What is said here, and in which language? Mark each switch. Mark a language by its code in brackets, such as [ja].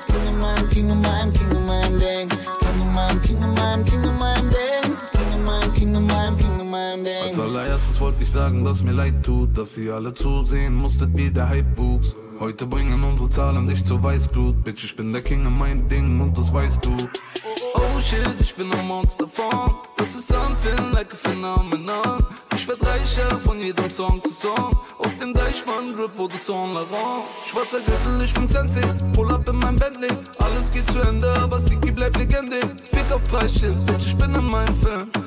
[de] King in meinem, King in meinem, King in meinem Ding. King in meinem, King in meinem, King in meinem Ding. King in meinem, King in meinem, King in meinem Ding. Als allererstes wollte ich sagen, dass mir leid tut, dass ihr alle zusehen musstet, wie der Hype wuchs. Heute bringen unsere Zahlen dich zur Weißglut. Bitch, ich bin der King in meinem Ding und das weißt du. Oh shit, ich bin ein Monster von. [en] This is something like a phenomenon. [de] Ich werd reicher von jedem Song zu Song. Aus dem Deichmann-Grip wurde Saint Laurent. Schwarzer Gürtel, ich bin Sensei. [en] Pull up [de] in meinem Bentley. Alles geht zu Ende, aber Siki bleibt Legende. Fick auf Preisschild, bitch, ich bin in meinem Film.